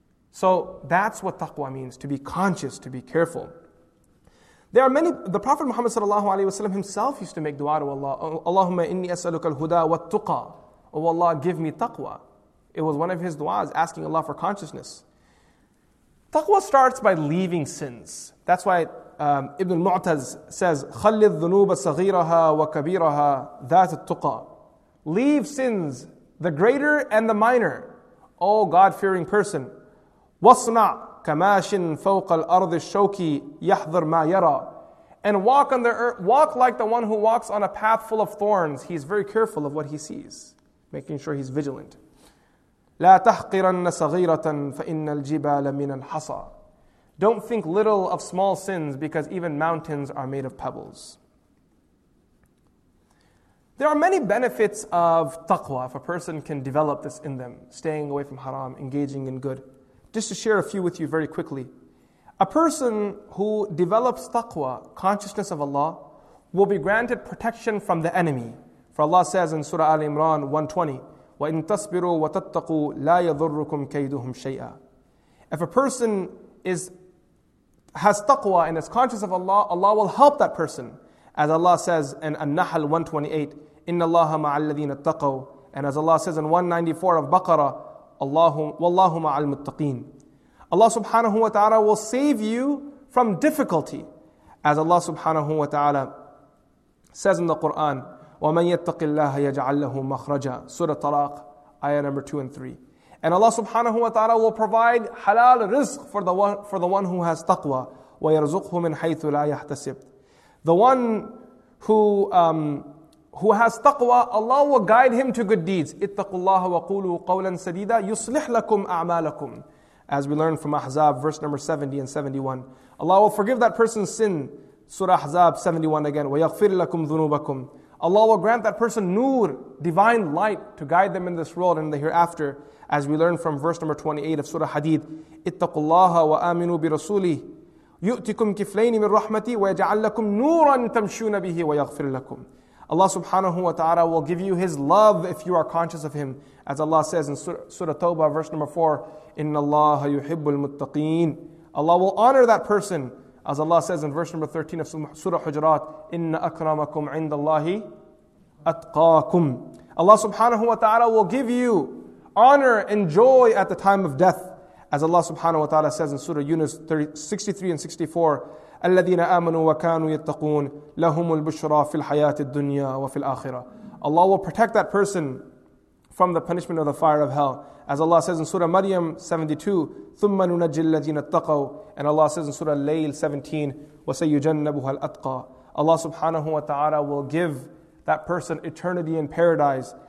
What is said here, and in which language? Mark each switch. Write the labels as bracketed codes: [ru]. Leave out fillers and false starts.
[en] So that's what taqwa means, to be conscious, to be careful. There are many, the Prophet Muhammad sallallahu alaihi wasallam himself used to make dua to Allah. [ar] Allahumma inni as'aluka al-huda wa tuqa. [en] Oh Allah, give me taqwa. It was one of his du'as, asking Allah for consciousness. Taqwa starts by leaving sins. That's why Ibn al-Mu'taz says, [ar] خَلِّ الذُّنُوبَ صَغِيرَهَا وَكَبِيرَهَا ذَاتِ التُّقَى. [en] Leave sins, the greater and the minor. Oh God-fearing person. [ar] وَصْنَعْ كَمَاشٍ فَوْقَ الْأَرْضِ الشَّوْكِ يَحْذَرْ مَا يَرَى. [en] And walk on the earth, walk like the one who walks on a path full of thorns. He's very careful of what he sees, making sure he's vigilant. [ar] لَا تَحْقِرَنَّ صَغِيرَةً فَإِنَّ الْجِبَالَ مِنَ الْحَصَى. [en] Don't think little of small sins, because even mountains are made of pebbles. There are many benefits of taqwa, if a person can develop this in them, staying away from haram, engaging in good. Just to share a few with you very quickly. A person who develops taqwa, consciousness of Allah, will be granted protection from the enemy. For Allah says in Surah Al-Imran 120, [ar] وَإِن تَصْبِرُوا وَتَتَّقُوا لَا يَضُرُّكُمْ كَيْدُهُمْ شَيْئًا. [en] If a person has taqwa and is conscious of Allah, Allah will help that person. As Allah says in An-Nahl 128, [ar] إِنَّ اللَّهَ مَعَ الَّذِينَ اتَّقَوْا. [en] And as Allah says in 194 of Baqarah, [ar] وَاللَّهُ مَعَ الْمُتَّقِينَ. [en] Allah subhanahu wa ta'ala will save you from difficulty. As Allah subhanahu wa ta'ala says in the Qur'an, [ar] وَمَنْ يَتَّقِ اللَّهَ يَجْعَلْ لَهُ مَخْرَجًا. [en] Surah Talaq, ayah number 2 and 3. And Allah subhanahu wa ta'ala will provide halal rizq for the one who has taqwa. [ar] وَيَرْزُقْهُ مِنْ حَيْثُ لَا يَحْتَسِبْ. [en] The one who has taqwa, Allah will guide him to good deeds. [ar] اِتَّقُوا اللَّهَ وَقُولُوا قَوْلًا سَدِيدًا يُصْلِحْ لَكُمْ أَعْمَالَكُمْ. [en] As we learn from Ahzab, verse number 70 and 71. Allah will forgive that person's sin. Surah Ahzab 71 again. [ar] وَيَغْفِرْ لَكُمْ ذُنُوبَكُمْ. [en] Allah will grant that person nur, divine light, to guide them in this world and in the hereafter. As we learn from verse number 28 of Surah Hadid, [ar] اتَّقُوا اللَّهَ وَآمِنُوا بِرَسُولِهِ يُؤْتِكُمْ كِفْلَيْنِ مِنْ رَحْمَتِي وَيَجْعَلْ لَكُمْ نُورًا تَمْشُونَ بِهِ وَيَغْفِرْ لَكُمْ. [en] Allah subhanahu wa ta'ala will give you His love if you are conscious of Him. As Allah says in Surah Tawbah, verse number 4, [ar] إِنَّ اللَّهَ يُحِبُّ الْمُتَّقِينَ. [en] Allah will honor that person. As Allah says in verse number 13 of Surah Hujurat, [ar] إِنَّ أَكْرَمَكُمْ عِنْدَ اللَّهِ أَتْقَاكُمْ. [en] Allah subhanahu wa ta'ala will give you honor and joy at the time of death. As Allah subhanahu wa ta'ala says in Surah Yunus 63 and 64, [ar] الَّذِينَ آمَنُوا وَكَانُوا يَتَّقُونَ لَهُمُ الْبُشْرَى فِي الْحَيَاةِ الدُّنْيَا وَفِي الْآخِرَةِ. [en] Allah will protect that person from the punishment of the fire of hell. As Allah says in Surah Maryam 72, [ar] ثُمَّ نُنَجِّ الَّذِينَ اتَّقَوْا. [en] And Allah says in Surah Layl 17, [ar] وَسَيُجَنَّبُهَا الْأَتْقَى. [en] Allah subhanahu wa ta'ala will give that person eternity in paradise.